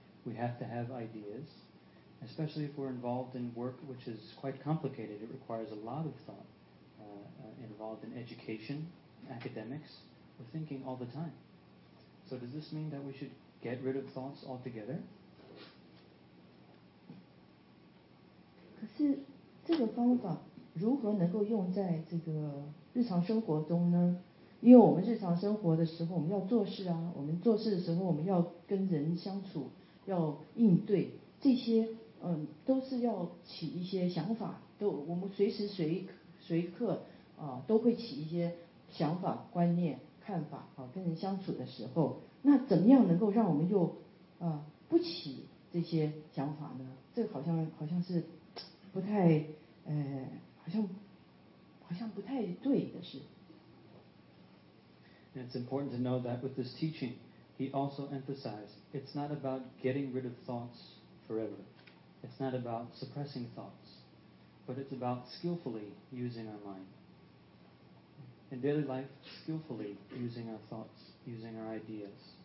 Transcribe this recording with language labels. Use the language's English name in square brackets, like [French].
[English] We have to have ideas, especially if we're involved in work which is quite complicated. It requires a lot of thought, involved in education, academics, we're thinking all the time. So does this mean that we should get rid of thoughts altogether? [Chinese] 可是这个方法如何能够用在这个日常生活中呢？因为我们日常生活的时候我们要做事啊，我们做事的时候我们要跟人相处，要应对这些都是要起一些想法，都我们随时随刻都会起一些想法观念看法跟人相处的时候，那怎么样能够让我们又不起这些想法呢？这个好像是不太好像不太对的事。 [English] And it's important to know that with this teaching, he also emphasized it's not about getting rid of thoughts forever. It's not about suppressing thoughts, but it's about skillfully using our mind. In daily life, skillfully using our thoughts, using our ideas.